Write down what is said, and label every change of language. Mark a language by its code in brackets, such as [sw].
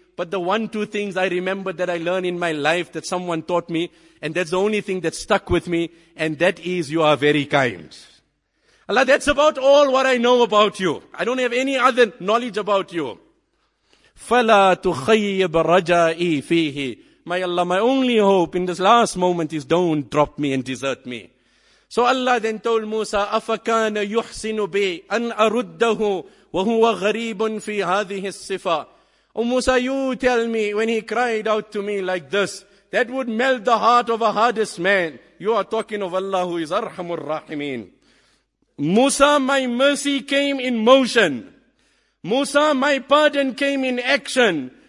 [en] But the one, two things I remember that I learned in my life that someone taught me, and that's the only thing that stuck with me, and that is you are very kind. Allah, that's about all what I know about you. I don't have any other knowledge about you. [ar] فَلَا تُخَيِّبَ رَجَائِي فِيهِ. [en] My Allah, my only hope in this last moment is don't drop me and desert me. So Allah then told Musa, [ar] أَفَكَانَ يُحْسِنُ بِي أَنْ أَرُدَّهُ وَهُوَ غَرِيبٌ فِي هَذِهِ الصِّفَةِ. [en] Oh Musa, you tell me when he cried out to me like this, that would melt the heart of a hardest man. You are talking of Allah who is [ar] أَرْحَمُ الرَّاحِمِينَ. [en] Musa, my mercy came in motion. Musa, my pardon came in action.